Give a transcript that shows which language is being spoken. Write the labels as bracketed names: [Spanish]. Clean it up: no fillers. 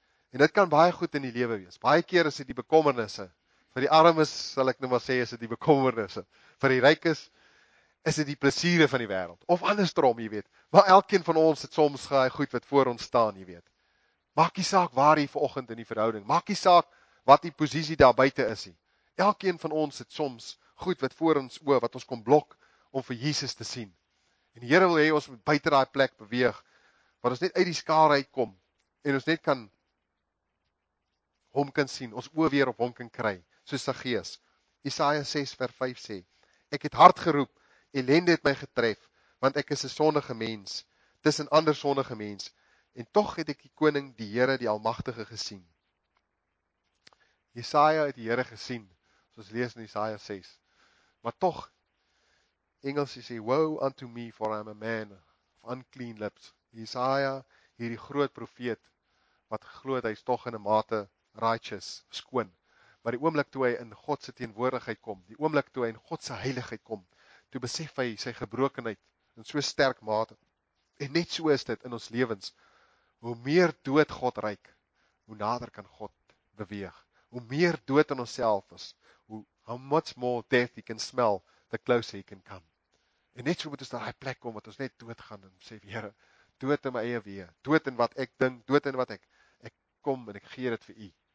[Afrikaans] En dit kan baie goed in die lewe wees. Baie keer is dit die bekommernisse. Vir die armes sal ek nou maar sê is dit die bekommernisse. Vir die rykes is dit die plesiere van die wêreld of andersom, jy weet. Maar elkeen van ons het soms gaai goed wat voor ons staan, jy weet. Maak nie saak waar jy vanoggend in die verhouding. Maak nie saak wat die posisie daar buite is nie. Elkeen van ons het soms goed wat voor ons oë wat ons kom blok om vir Jesus te sien. En die Here wil hê ons moet buite daai plek beweeg waar ons net uit die skare uitkom en ons net kan hom kan sien, ons oë weer op hom kan kry, soos sy gees. Jesaja 6 vers 5 sê: Ek het hard geroep, ellende het my getref, want ek is 'n sondige mens, tussen ander sondige mens. En tog het ek die koning, die Here, die Almagtige gesien. Jesaja het die Here gesien, soos lees in Jesaja 6. Maar tog Engels sê [English] woe unto me for I am a man of unclean lips. [Afrikaans] Jesaja, hierdie groot profeet wat glo dat hy's tog in 'n mate righteous, skoon, maar die oomblik toe hy in God se teenwoordigheid kom, die oomblik toe hy in God se heiligheid kom, toe besef hy sy gebrokenheid in so sterk mate. En net so is dit in ons lewens. Hoe meer dood God ryk, hoe nader kan God beweeg. Hoe meer dood in onsself is, [English] how much more death he can smell, the closer he can come. [Afrikaans] En net so moet ons daai plek kom wat ons net dood gaan en sê, Here, dood in my eie weë, dood in wat ek dink, dood in wat ek kom en ek gee dit vir u.